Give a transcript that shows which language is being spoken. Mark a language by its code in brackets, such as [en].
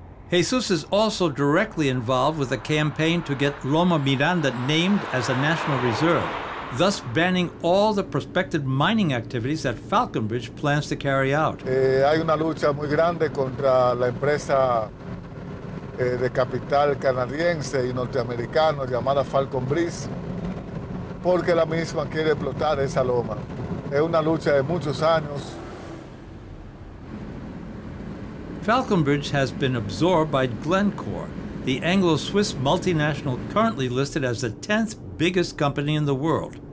[en] Jesus is also directly involved with a campaign to get Loma Miranda named as a national reserve, thus banning all the prospective mining activities that Falconbridge plans to carry out. [es] Hay una lucha muy grande contra la empresa de capital canadiense y norteamericano llamada Falconbridge, porque la misma quiere explotar esa loma. Es una lucha de muchos años. [en] Falconbridge has been absorbed by Glencore, the Anglo-Swiss multinational currently listed as the 10th biggest company in the world.